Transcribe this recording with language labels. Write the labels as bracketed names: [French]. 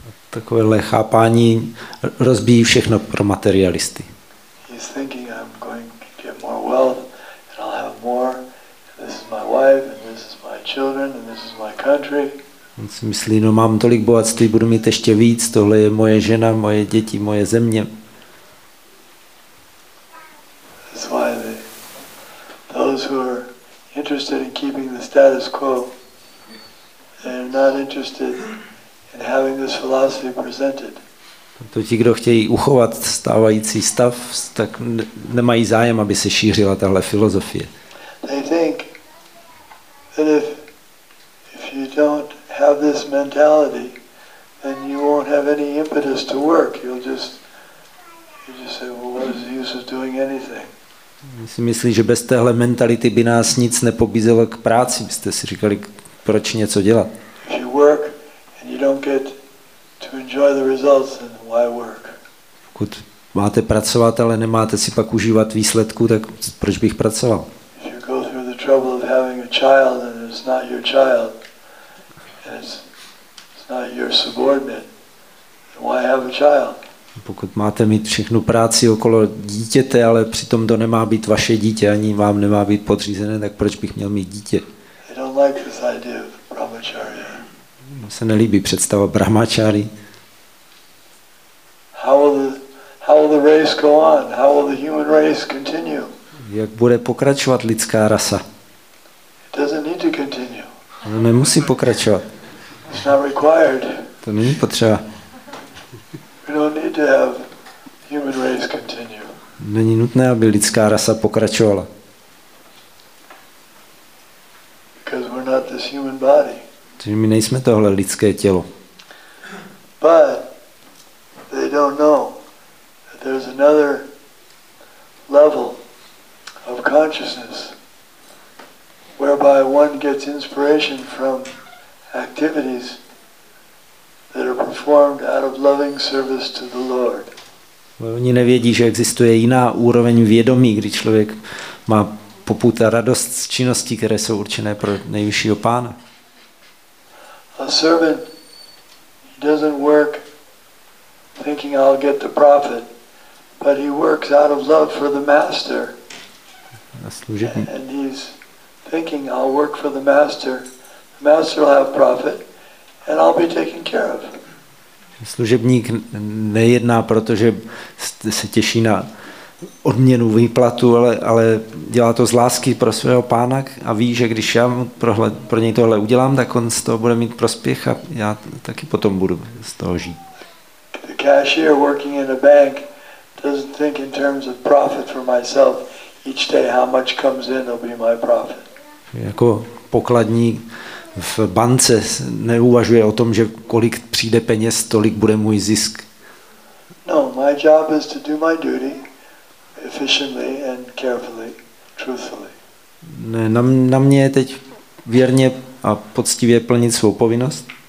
[Czech] Takovéhle chápání rozbíjí všechno pro materialisty. [English] He's thinking I'm going to get more wealth and I'll have more. And this is my wife and this is my children and this is my country. [Czech] On si myslí, no mám tolik bohatství, budu mít ještě víc, tohle je moje žena, moje děti, moje země. [English] That's why those who are interested in keeping the status quo, they're not interested in having this philosophy presented. [Czech] To ti, kdo chtějí uchovat stávající stav, tak nemají zájem, aby se šířila tahle filozofie. [English] They think that if you don't have this mentality, then you won't have any impetus to work. You'll just say, well, what is the use of doing anything? [Czech] Si myslí, že bez téhle mentality by nás nic nepobízelo k práci. Byste si říkali, proč něco dělat? [English] If you work and you don't get to enjoy the results, then why work? [Czech] Pokud máte pracovat, ale nemáte si pak užívat výsledku, tak proč bych pracoval? [English] If you go through the trouble of having a child and it's not your child, it's not your subordinate. Why have a child? [Czech] Pokud máte mít všechnu práci okolo dítěte, ale přitom to nemá být vaše dítě, ani vám nemá být podřízené, tak proč bych měl mít dítě? [English] I don't like this idea of brahmacharya. [Czech] Mně se nelíbí představa brahmacharya. [English] How will the race go on? How will the human race continue? [Czech] Jak bude pokračovat lidská rasa? [English] It doesn't need to continue. [Czech] Ono nemusí pokračovat. [English] It's not required. [Czech] To není potřeba. [English] We don't need to have human race continue. [Czech] Není nutné, aby lidská rasa pokračovala. [English] Because we're not this human body. [Czech] Protože my nejsme tohle lidské tělo. [English] But they don't know that there's another level of consciousness whereby one gets inspiration from activities that are performed out of loving service to the Lord. [Czech] Oni nevědí, že existuje jiná úroveň vědomí, kdy člověk má popud a radost z činností, které jsou určené pro nejvyššího pána. [English] A servant doesn't work thinking I'll get the profit, but he works out of love for the master. And he's thinking I'll work for the master. The master will have profit, and I'll be taken care of. [Czech] Služebník nejedná, protože se těší na odměnu, výplatu, ale dělá to z lásky pro svého pána a ví, že když já pro něj tohle udělám, tak on z toho bude mít prospěch a já taky potom budu z toho žít. [English] The cashier working in a bank doesn't think in terms of profit for myself. Each day how much comes in will be my profit. [Czech] Jako pokladní v bance neuvažuje o tom, že kolik přijde peněz, tolik bude můj zisk. [English] No, my job is to do my duty efficiently and carefully, truthfully. [Czech] Ne, na mě je teď věrně a poctivě plnit svou povinnost.